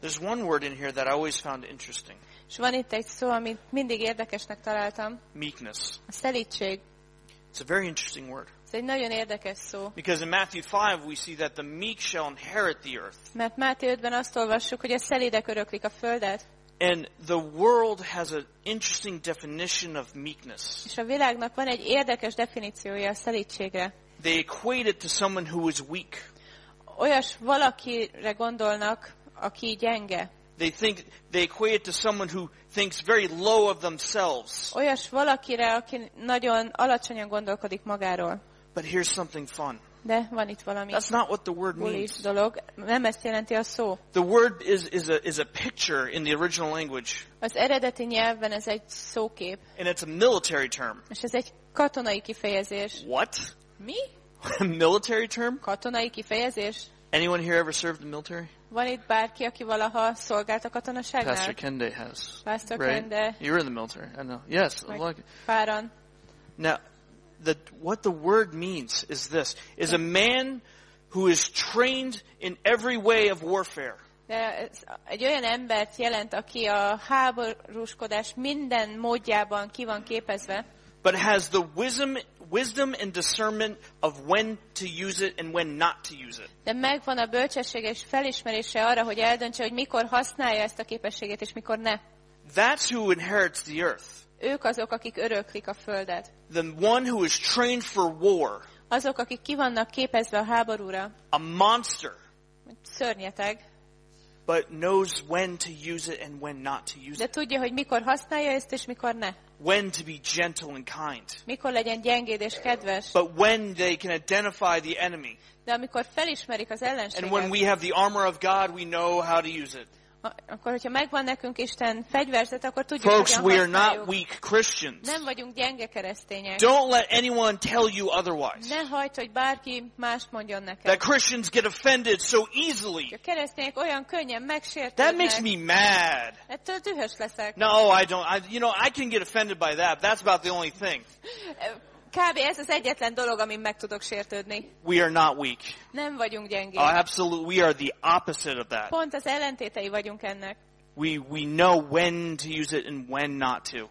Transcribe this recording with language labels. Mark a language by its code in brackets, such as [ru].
[en] There's one word in here that I always found interesting. [hu] És van itt egy szó, amit mindig érdekesnek találtam. [en] Meekness. [hu] A szelídség. [en] It's a very interesting word. [hu] Ez egy nagyon érdekes szó. [en] Because in Matthew 5 we see that the meek shall inherit the earth. [hu] Mert Máté 5-ben azt olvassuk, hogy a szelídek öröklik a földet. [en] And the world has an interesting definition of meekness. [hu] És a világnak van egy érdekes definíciója a szelídségre. [en] They equate it to someone who is weak. [hu] Olyas valakire gondolnak, aki gyenge. [en] They equate it to someone who thinks very low of themselves. [hu] Olyas valakire, aki nagyon alacsonyan gondolkodik magáról. [en] But here's something fun. [hu] De van itt valami. [en] That's not what the word means. [hu] Dolog. Nem ezt jelenti a szó. [en] The word is a picture in the original language. [hu] Az eredeti nyelvben ez egy szókép. [en] And it's a military term. [hu] És ez egy katonai kifejezés. [en] What? [hu] Mi? [en] A military term? [hu] Katonai kifejezés. [en] Anyone here ever served the military? [hu] Van itt bárki, aki valaha szolgált a katonaságnál? [en] Pastor Kende has. Pastor Kende. You were in the military. I know. Yes. Like. [hu] Páran. [en] Now, what the word means is this: is a man who is trained in every way of warfare. [hu] De egy olyan embert jelent, aki a háborúskodás minden módjában ki van képezve. [en] But has the wisdom and discernment of when to use it and when not to use it. [hu] De megvan a bölcsesség és felismerése arra, hogy eldöntse, hogy mikor használja ezt a képességet és mikor ne. [en] That's who inherits the earth. [hu] Ők azok, akik öröklik a földet. [en] The one who is trained for war. [hu] Azok, akik ki vannak képezve a háborúra. [en] A monster. [hu] Szörnyeteg. [en] But knows when to use it and when not to use it. [hu] De tudja, hogy mikor használja ezt és mikor ne. [en] When to be gentle and kind. [hu] Mikor legyen gyengéd és kedves. [en] But when they can identify the enemy. [hu] De amikor felismerik az ellenséget. [en] And when we have the armor of God, we know how to use it. [hu] Akkor hogyha megvan nekünk Isten fegyverzet, akkor tudjuk, [en] Folks, we are not weak Christians. [hu] Nem vagyunk gyenge keresztények. [en] Don't let anyone tell you otherwise. [hu] Ne hagyd, hogy bárki más mondjon neked. [en] That Christians get offended so easily. [hu] A keresztények olyan könnyen megsértődnek. [en] That makes me mad. [hu] Ettől dühös leszek. [en] No, I don't. I can get offended by that. That's about the only thing. [hu] Kb. Ez az egyetlen dolog, amin meg tudok sértődni. [en] We are not weak. [hu] Nem vagyunk gyengék. [en] Absolutely, we are the opposite of that. [hu] Pont az ellentétei vagyunk ennek. [en] We know when to use it and when not to.